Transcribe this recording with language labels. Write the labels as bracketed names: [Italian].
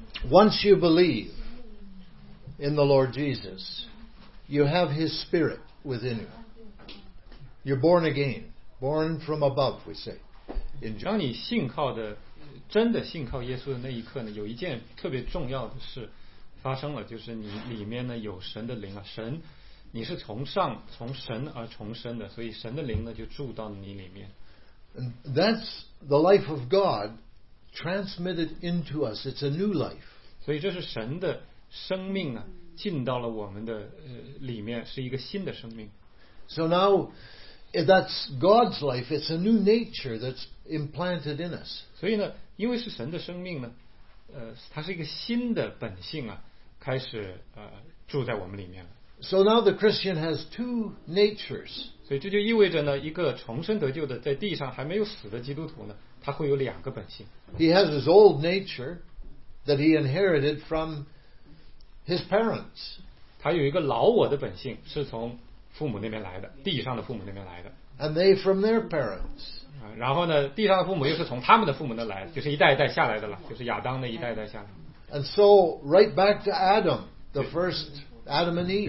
[English] once you believe in the Lord Jesus, you have his spirit within you, you're born again, born from above, we say. [Chinese] 当你信靠的真的信靠耶稣的那一刻呢，有一件特别重要的事发生了，就是你里面呢有神的灵了，神你是从上从神而重生的，所以神的灵呢就住到你里面。 [English] And that's the life of God transmitted into us, it's a new life. [Chinese] 所以这是神的生命啊，进到了我们的里面，是一个新的生命。 [English] So nowThat's God's life. It's a new nature that's implanted in us. [Chinese] 所以呢，因为是神的生命呢，它是一个新的本性啊，开始住在我们里面了。 [English] So now the Christian has two natures. [Chinese] 所以这就意味着呢，一个重生得救的在地上还没有死的基督徒呢，他会有两个本性。 [English] He has his old nature that he inherited from his parents. [Chinese] 他有一个老我的本性，是从父母那边来的，地上的父母那边来的。 [English] And they from their parents. [Chinese] 然后呢，地上的父母又是从他们的父母那来的，就是一代一代下来的了，就是亚当那一代一代下来。 [English] And so right back to Adam, the first Adam and Eve.